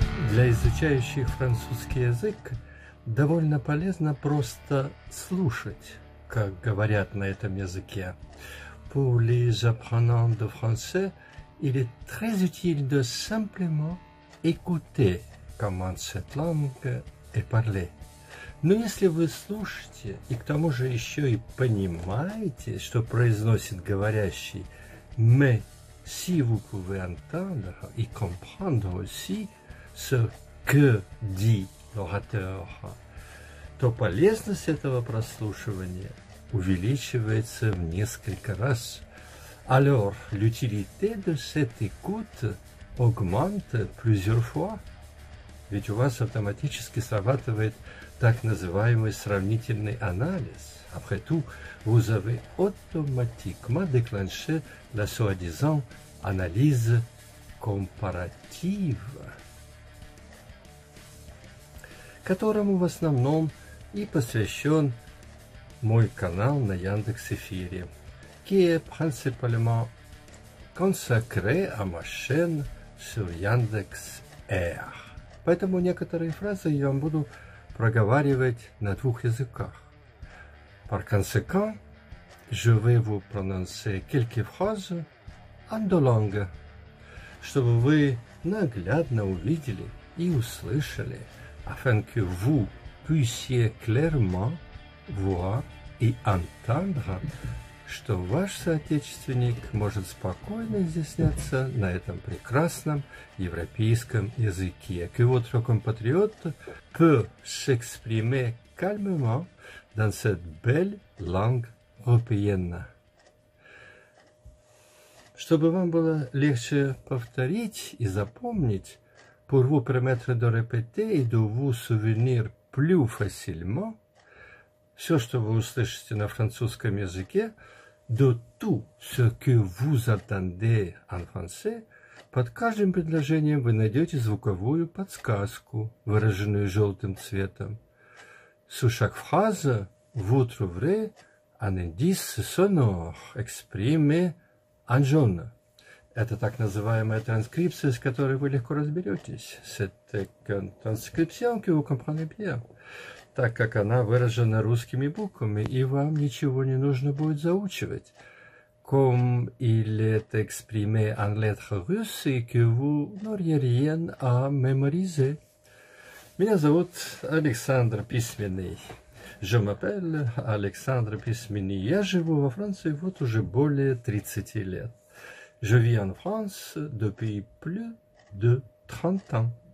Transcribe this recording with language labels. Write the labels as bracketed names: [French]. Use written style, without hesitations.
[Russian] Для изучающих французский язык довольно полезно просто слушать, как говорят на этом языке. [French] Pour les apprenants de français, il est très utile de simplement écouter comment cette langue est parlée. [Russian] Но если вы слушаете и к тому же еще и понимаете, что произносит говорящий [French] «mais si vous pouvez entendre et comprendre aussi ce que dit l'orateur», [Russian] то полезность этого прослушивания увеличивается в несколько раз. [French] Alors, l'utilité de cette écoute augmente plusieurs fois. [Russian] Ведь у вас автоматически срабатывает так называемый сравнительный анализ. [French] Après tout, vous avez automatiquement déclenché la soi-disant analyse comparative, [Russian] которому в основном и посвящен мой канал на Яндекс.Эфире, [French] qui est principalement consacré à ma chaîne sur Яндекс.Эр. [Russian] Поэтому некоторые фразы я вам буду проговаривать на двух языках. [French] Par conséquent, je vais vous prononcer quelques phrases en deux langues, [Russian] чтобы вы наглядно увидели и услышали, [French] afin que vous puissiez clairement voir et entendre, [Russian] что ваш соотечественник может спокойно изъясняться на этом прекрасном европейском языке. [French] Que votre compatriote peut s'exprimer calmement dans cette belle langue européenne. [Russian] Чтобы вам было легче повторить и запомнить, [French] pour vous permettre de répéter et de vous souvenir plus facilement, [Russian] все, что вы услышите на французском языке, [French] de tout ce que vous entendez en français, [Russian] под каждым предложением вы найдете звуковую подсказку, выраженную желтым цветом. [French] Sous chaque phrase, vous trouverez un indice sonore exprimé en jaune. [Russian] Это так называемая транскрипция, с которой вы легко разберетесь. C'est une transcription que vous comprenez bien, так как она выражена русскими буквами, и вам ничего не нужно будет заучивать. [French] Comme il est exprimé en lettres russes et que vous n'auriez rien à mémoriser. [Russian] Меня зовут Александр Письменный. [French] Je m'appelle Alexandre Письменный. [Russian] Я живу во Франции вот уже более 30 лет. [French] Je vis en France depuis plus de 30 ans.